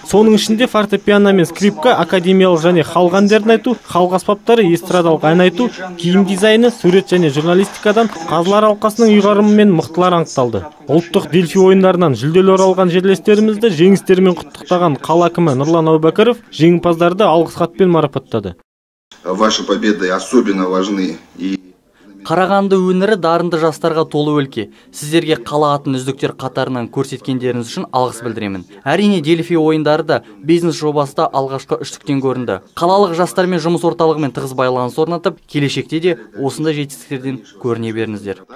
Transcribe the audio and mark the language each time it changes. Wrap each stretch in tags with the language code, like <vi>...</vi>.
<kk>Соның ішінде фортепиано мен скрипка, академиялық және халық әндерін айту, халық аспаптары, эстрадалық ән айту, киім дизайны, сурет және журналистикадан қазылар алқасының ұйғарымы мен мықтылар анықталды. Ұлттық дельфи ойындарынан жүлделер алған жерлестерімізді жеңістерімен құттықтаған қала әкімі Нұрлан Әубәкіров жеңімпаздарды алғыс хатпен марапаттады.</kk> <ru>Ваши победы особенно важны.</ru> <kk>Қарағанды өңірі дарынды жастарға толы өлке. Сіздерге қала атын үздіктер қатарынан көрсеткендеріңіз үшін алғыс білдіремін. Әрине дельфи ойындары да бизнес жобасында алғашқы үштіктен көрінді. Қалалық жастармен жұмыс орталығымен тығыз байланыс орнатып, келешекте де осындай жетістіктерден көріне беріңіздер.</kk>